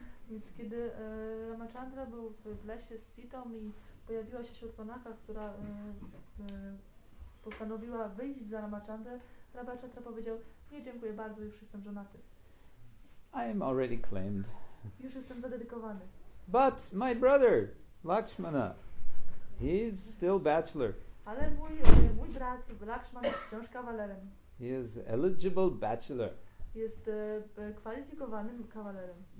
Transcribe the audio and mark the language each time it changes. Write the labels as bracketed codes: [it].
[pl] Więc kiedy Ramachandra był w lesie z Sitą i pojawiła się Sharpanaka, która postanowiła wyjść za Ramachandrę, Ramachandra powiedział, nie dziękuję bardzo, już jestem żonaty. [en] I am already claimed. [pl] Już jestem zadedykowany. [en] But my brother, Lakshmana, he's still bachelor. [pl] Ale mój brat, Lakshman, jest wciąż kawalerem. [en] He is eligible bachelor. [pl] Jest kwalifikowanym kawalerem.